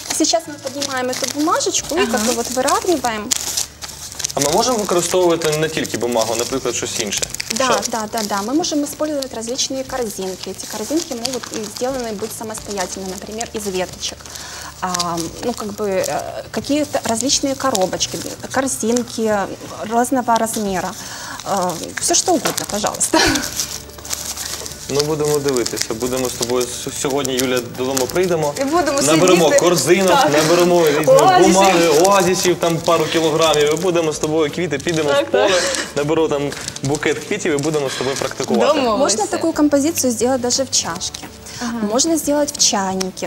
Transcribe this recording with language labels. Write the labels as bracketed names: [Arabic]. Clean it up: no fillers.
[Ukrainian] Зараз ми піднімаємо цю бумажечку і так от вирівнюємо. А ми можемо використовувати не тільки бумагу, наприклад, щось інше? Да. Ми можемо використовувати різні корзинки. Ці корзинки можуть зроблені бути самостійно, наприклад, із веточок. [Russian] Ну, как бы, какие-то различные коробочки, корзинки разного размера. Все что угодно, пожалуйста. [Ukrainian] Ну, будемо дивитися. Будемо з тобою сьогодні, Юля, додому прийдемо. Наберемо корзинок, наберемо різні бумаги, оазисів, там пару кілограмів. Будемо з тобою квіти, підемо в поле, наберу там букет квітів і будемо з тобою практикувати. Можна таку композицію зробити навіть в чашці. Можна зробити в чайнику.